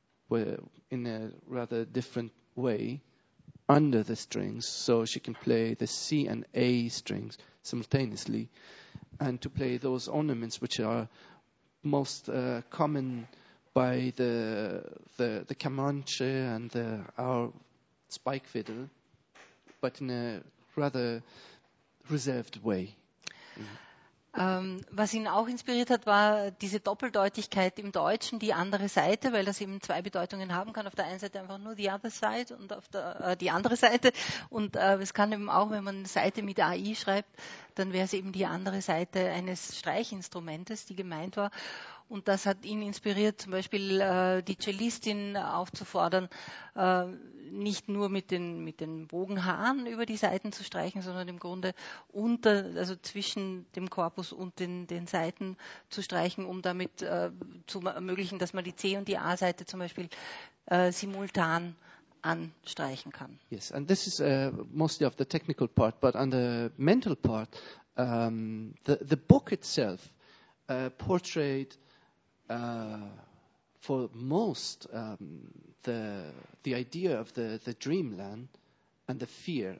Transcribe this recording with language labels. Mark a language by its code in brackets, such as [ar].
[en] in a rather different way under the strings, so she can play the C and A strings simultaneously, and to play those ornaments which are most common by the Camanche and our spike fiddle, but in a rather reserved way. [de] Was ihn auch inspiriert hat, war diese Doppeldeutigkeit im Deutschen, die andere Seite, weil das eben zwei Bedeutungen haben kann. Auf der einen Seite einfach nur [en] the other side [de] und auf der die andere Seite. Und es kann eben auch, wenn man Seite mit AI schreibt, dann wäre es eben die andere Seite eines Streichinstrumentes, die gemeint war. Und das hat ihn inspiriert, zum Beispiel die Cellistin aufzufordern, nicht nur mit den Bogenhaaren über die Saiten zu streichen, sondern im Grunde unter, also zwischen dem Korpus und den Saiten zu streichen, um damit zu ermöglichen, dass man die C- und die A-Saite zum Beispiel simultan anstreichen kann. [en] Yes, and this is mostly of the technical part, but on the mental part, the book itself portrayed for most the idea of the dreamland and the fear.